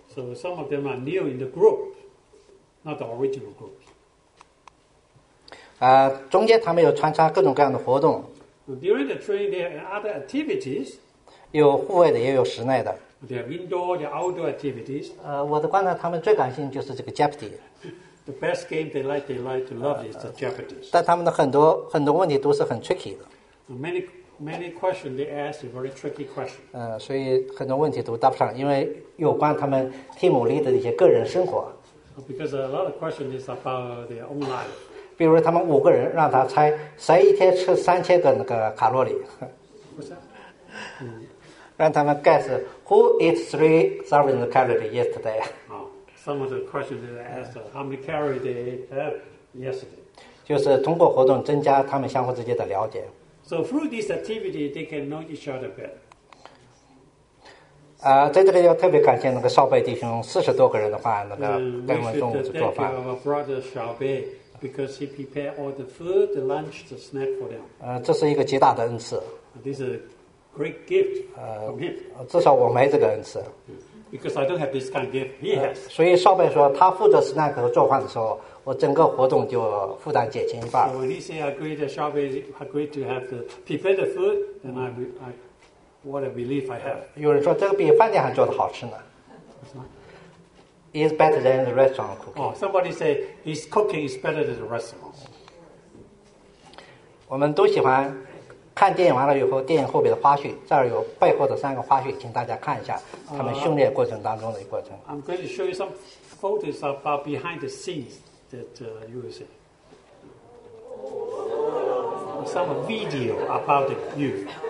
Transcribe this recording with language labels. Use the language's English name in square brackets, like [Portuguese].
[English] So some of them are new in the group, not the original group. [Chinese] 中间他们有穿插各种各样的活动。 [English] During the training, there are other activities. [Chinese] 有户外的，也有室内的。 [English] There are indoor, there are outdoor activities. [Chinese] 我的观察，他们最感兴趣就是这个 Jeopardy. [English] The best game they like to love is the Jeopardy. [Chinese] 但他们的很多问题都是很 tricky 的。 [English] Many questions they ask are very tricky questions. [Chinese] 所以很多问题都答不上，因为有关他们 team leader 的一些个人生活。 [English] Because a lot of questions is about their own life. [Chinese] 比如他们五个人让他猜，谁一天吃3000个那个卡路里？让他们 [English] guess who ate 3,000 calories yesterday. Some of the questions they asked how many calories they had yesterday. [Chinese] 就是通过活动增加他们相互之间的了解。 [English] So through this activity, they can know each other better. [Chinese] 在这里要特别感谢那个少贝弟兄，四十多个人的话，那个跟我们中午去做饭。 [English] We should thank our brother Xiao Bei because he prepared all the food, the lunch, the snack for them. [Chinese] 这是一个极大的恩赐。 [English] This is a great gift from him. [Chinese] 至少我没这个恩赐。 [English] Because I don't have this kind of gift, he has. [Chinese] 所以少贝说，他负责 snack 和做饭的时候，我整个活动就负担减轻一半。 [English] So when he say agreed, Xiaobi agreed to have the prepare the food, then I what a relief I have. [Chinese] 有人说这个比饭店还做的好吃呢。 [English] It's better than the restaurant cooking. Oh, somebody say his cooking is better than the restaurant. [Chinese] 我们都喜欢看电影完了以后，电影后边的花絮，这儿有背后的三个花絮，请大家看一下他们训练过程当中的一个过程。 [English] I'm going to show you some photos about behind the scenes. That you will see some video about the youth.